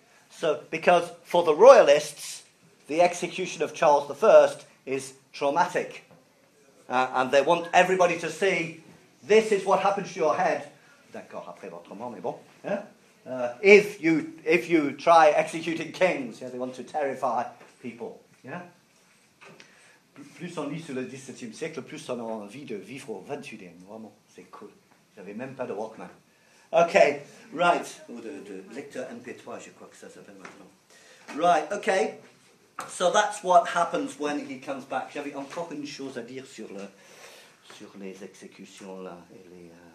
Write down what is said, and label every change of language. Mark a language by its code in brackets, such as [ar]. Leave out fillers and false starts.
[en] So, because for the royalists, the execution of Charles I is traumatic. And they want everybody to see, this is what happens to your head. [fr] D'accord, après votre mort, mais bon. [en] If you try executing kings, yeah, they want to terrify people. Yeah? [fr] Plus on lit sur le XVIIe siècle, plus on a envie de vivre au XXIe. Vraiment, c'est cool. J'avais même pas de Walkman. [en] Okay, right. [fr] Ou de lecteur MP3, je crois que ça s'appelle maintenant. [en] Right, okay. So that's what happens when he comes back. [fr] J'avais encore une chose à dire sur le sur les exécutions là et les.